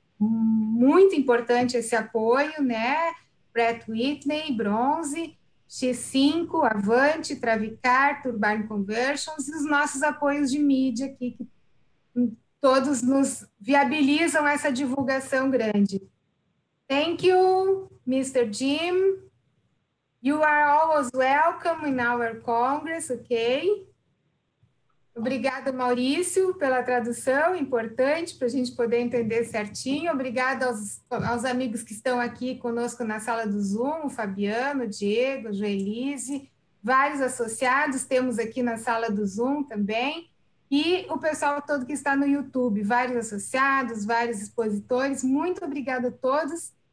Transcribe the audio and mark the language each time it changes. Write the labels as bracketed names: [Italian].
[Portuguese] Muito importante esse apoio, né? Pratt Whitney, Bronze, X5, Avante, Travicar, Turbine Conversions, e os nossos apoios de mídia aqui, que todos nos viabilizam essa divulgação grande. [English] Thank you, Mr. Jim. You are always welcome in our Congress, ok? [Portuguese] Obrigada, Maurício, pela tradução, importante para a gente poder entender certinho. Obrigada aos amigos que estão aqui conosco na sala do Zoom, o Fabiano, o Diego, a Joelize, vários associados temos aqui na sala do Zoom também, e o pessoal todo que está no YouTube, vários associados, vários expositores, muito obrigada a todos.